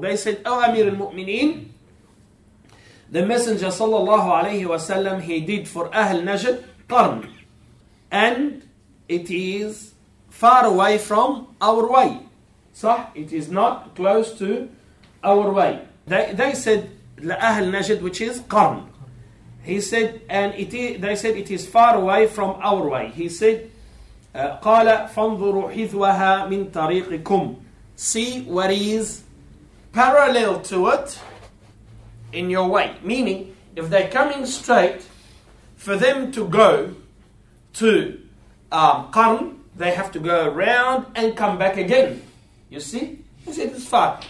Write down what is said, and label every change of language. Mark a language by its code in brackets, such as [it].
[en] They said, O Amir al-Mu'mineen, the Messenger sallallahu alayhi wa sallam, he did for Ahl Najd, Qarn, and it is far away from our way. So it is not close to our way. They said, Ahl Najd, which is Qarn. He said, and it is, they said, it is far away from our way. He said, [ar] قَالَ فَانْظُرُوا حِذْوَهَا مِنْ تَرِيقِكُمْ. [en] See what is parallel to it in your way. Meaning, if they're coming straight, for them to go to Qarn, they have to go around and come back again. You see? He said, it's far.